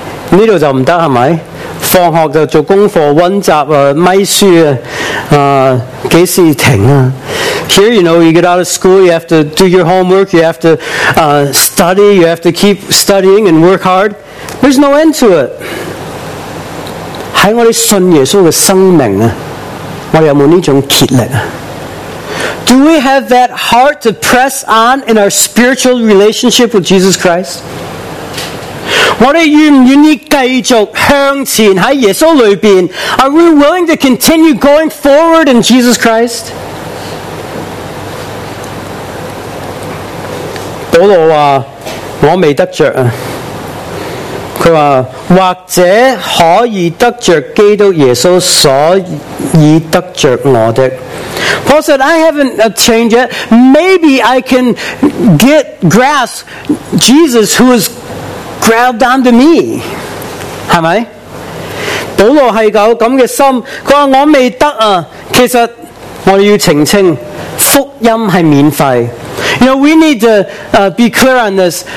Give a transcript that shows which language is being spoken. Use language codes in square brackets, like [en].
[zh] 这里就不行,是吧?放学就做功课,温习,咪书,几时停啊? [en] Here, you know, you get out of school, you have to do your homework, you have to study, you have to keep studying and work hard. There's no end to it. [zh] 在我们信耶稣的生命,我们有没有这种竭力啊? [en] Do we have that heart to press on in our spiritual relationship with Jesus Christ? What are you [zh] 愿意继续向前在耶稣里面? [en] Are we willing to continue going forward in Jesus Christ? [zh] 保罗说,我未得着啊。他说,或者可以得着基督耶稣所以得着我的。 [en] Paul said, I haven't attained yet. Maybe I can get grasp Jesus who is grabbed onto me. [zh] 是不是? 保罗是有这样的心, 他说,我未得啊。其实,我要澄清, 福音是免费。 [en] You know, we need to be clear on this.